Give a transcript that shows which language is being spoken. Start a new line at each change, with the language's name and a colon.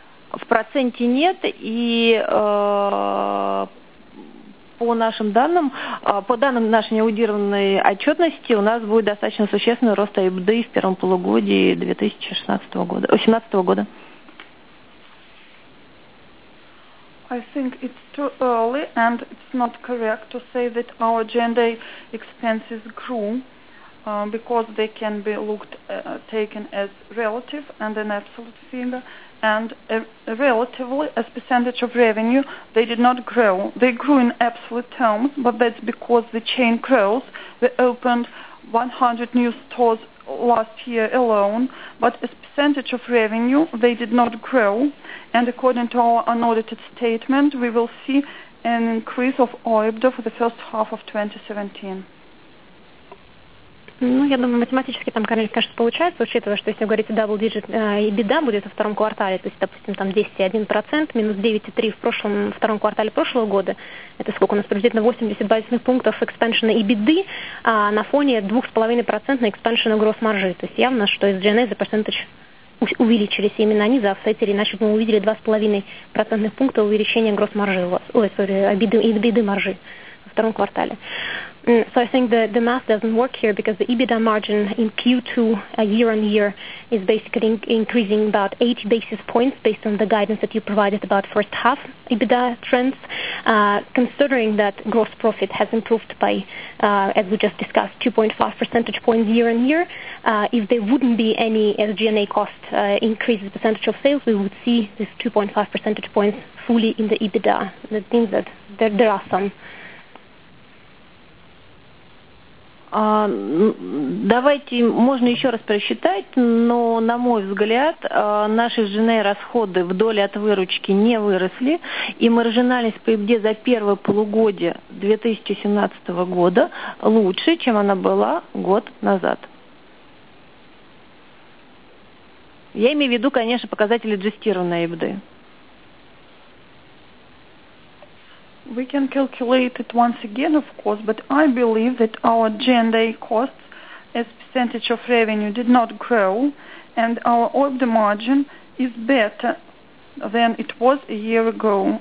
Russian: В проценте нет, и по нашим данным, по данным нашей неаудированной отчетности, у нас будет достаточно существенный рост EBITDA в первом полугодии 2018 года.
English: I think it's too early, and it's not correct to say that our G&A expenses grew, because they can be looked taken as relative and an absolute figure. And relatively, as percentage of revenue, they did not grow. They grew in absolute terms, but that's because the chain grows. We opened 100 new stores last year alone, but as percentage of revenue, they did not grow. And according to our unaudited statement, we will see an increase of OIBDA for the first half of 2017.
Russian: Ну, я думаю, математически там, конечно, получается, учитывая, что если говорить
English: double digit,
Russian: EBITDA будет во втором квартале, то есть, допустим, там 10.1%, минус 9.3% в прошлом, втором квартале прошлого года, это сколько у нас приблизительно 80 базисных пунктов экспаншена EBITDA, а на фоне 2.5% экспаншена gross маржи. То есть явно, что из G&A за percentage увеличились, именно они за офсетили, иначе мы увидели 2.5% пункта увеличения gross маржи у вас, ой,
English: sorry,
Russian: EBITDA маржи во втором квартале.
English: So I think the math doesn't work here because the EBITDA margin in Q2 year on year is basically increasing about 80 basis points based on the guidance that you provided about first half EBITDA trends. Considering that gross profit has improved by, as we just discussed, 2.5 percentage points year on year, if there wouldn't be any SG&A cost increases percentage of sales, we would see this 2.5 percentage points fully in the EBITDA. That means that there are some.
Russian: Давайте, можно еще раз просчитать, но, на мой взгляд, наши SG&A расходы в доле от выручки не выросли, и маржинальность по EBITDA за первое полугодие 2017 года лучше, чем она была год назад. Я имею в виду, конечно, показатели адъюстированной EBITDA.
English: We can calculate it once again, of course, but I believe that our G&A costs as percentage of revenue did not grow, and our OIBDA margin is better than it was a year ago.